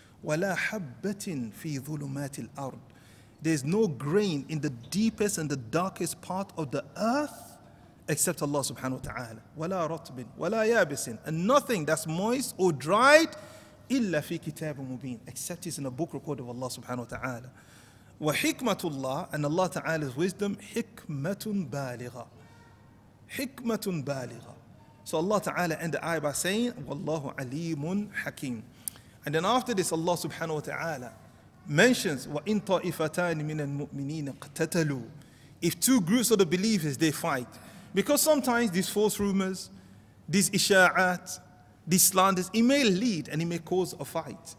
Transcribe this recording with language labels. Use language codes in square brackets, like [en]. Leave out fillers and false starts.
[ar] وَلَا حَبَّةٍ فِي ظُلُمَاتِ الْأَرْضِ. [en] There's no grain in the deepest and the darkest part of the earth except Allah subhanahu wa ta'ala. [ar] وَلَا رَطْبٍ وَلَا يَابِسٍ. [en] And nothing that's moist or dried [ar] إِلَّا فِي كِتَابٍ مُبِينٍ, [en] except it's in a book recorded of Allah subhanahu wa ta'ala. [ar] وَحِكْمَةُ اللَّهِ, [en] and Allah ta'ala's wisdom, [ar] حِكْمَةٌ بَالِغَةٌ, حِكْمَةٌ بَالِغَةٌ. [en] So Allah ta'ala end the ayah by saying, [ar] وَاللَّهُ عَلِيمٌ حَكِيمٌ. [en] And then after this, Allah subhanahu wa ta'ala mentions, [ar] وَإِنْ طَائِفَتَانِ مِنَ الْمُؤْمِنِينَ اقْتَتَلُوا. [en] If two groups of the believers, they fight. Because sometimes these false rumors, these isha'at, these slanders, it may lead and it may cause a fight.